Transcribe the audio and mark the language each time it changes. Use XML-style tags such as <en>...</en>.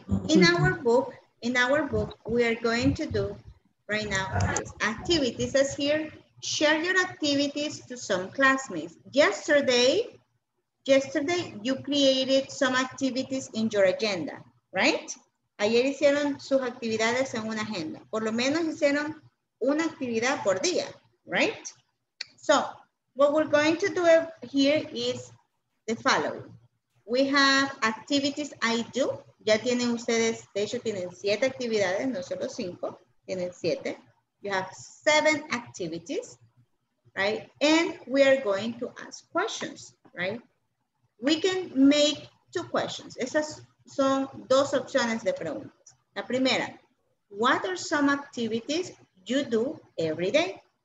<en>In our book, we are going to do right now activities. It says here, share your activities to some classmates. Yesterday you created some activities in your agenda, right?</en> <es>Ayer hicieron sus actividades en una agenda. Por lo menos hicieron una actividad por día, right?</es> <en>So, what we're going to do here is the following. We have activities I do.</en> <es>Ya tienen ustedes, de hecho tienen 7 actividades, no solo 5, tienen 7.</es> <en>You have 7 activities, right? And we are going to ask questions, right? We can make 2 questions.</en> <es>Esas son 2 opciones de preguntas. La primera,</es> <en>what are some activities you do every day?</en>